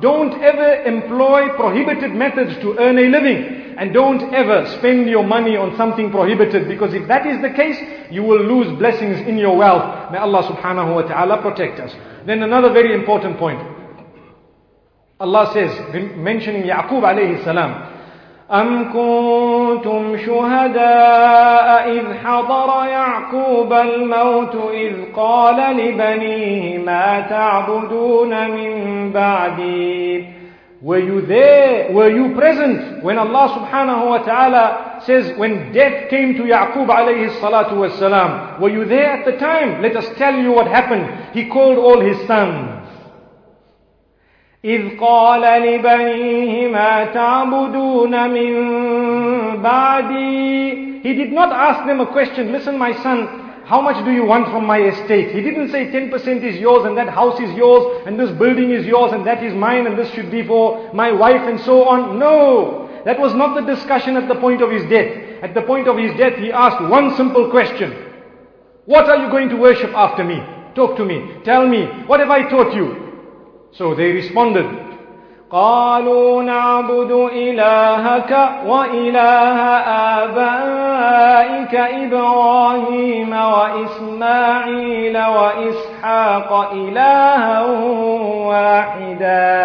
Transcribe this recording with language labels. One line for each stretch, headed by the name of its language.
English: Don't ever employ prohibited methods to earn a living. And don't ever spend your money on something prohibited, because if that is the case, you will lose blessings in your wealth. May Allah subhanahu wa ta'ala protect us. Then another very important point. Allah says, mentioning Ya'qub alayhi salam,
Arabic: أم كنتم شهداء إذ حضر يعقوب الموت إذ قال لبنيه ما تعبدون من بعدي.
English: Were you there? Were you present when Allah subhanahu wa ta'ala says, when death came to Ya'qub alayhi salatu wa salam? Were you there at the time? Let us tell you what happened. He called all his sons.
Arabic: إِذْ قَالَ لِبَنِيهِ مَا تَعْبُدُونَ مِن بَعْدِي.
English: He did not ask them a question. Listen, my son, how much do you want from my estate? He didn't say 10% is yours and that house is yours and this building is yours and that is mine and this should be for my wife and so on. No, that was not the discussion at the point of his death. At the point of his death, he asked one simple question. What are you going to worship after me? Talk to me. Tell me. What have I taught you? So they responded.
Arabic: قالوا نعبد إلهك وإله آبائك إبراهيم وإسماعيل وإسحاق إلها واحدا.